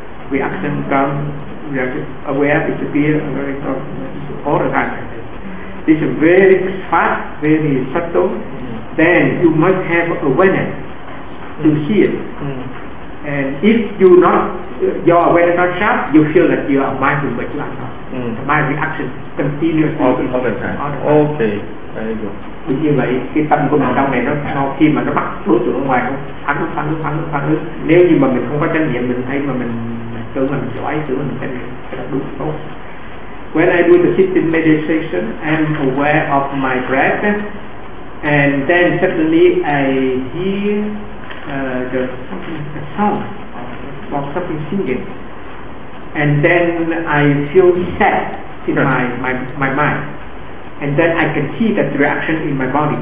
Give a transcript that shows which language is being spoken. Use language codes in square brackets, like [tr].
[en] Reaction comes, aware, disappear, all the time. It's very fast, very subtle. Then you must have awareness to see it. And if you not, your awareness not sharp, you feel that you are mindful, but you are not. Mind reaction continuously. All the time. Okay. [vi] Vì như vậy cái tâm của mình trong này nó khi mà nó bắt đối tượng ở ngoài nó phản ứng. Nếu như mà mình không có trách nhiệm, mình thấy mà mình tưởng mình giỏi, tưởng mình trách nhiệm, cái đó đúng tốt. [en] When I do the sitting meditation, I am aware of my breath, and then suddenly I hear the song or something singing, and then I feel sad in my mind, and then I can see that reaction in my body.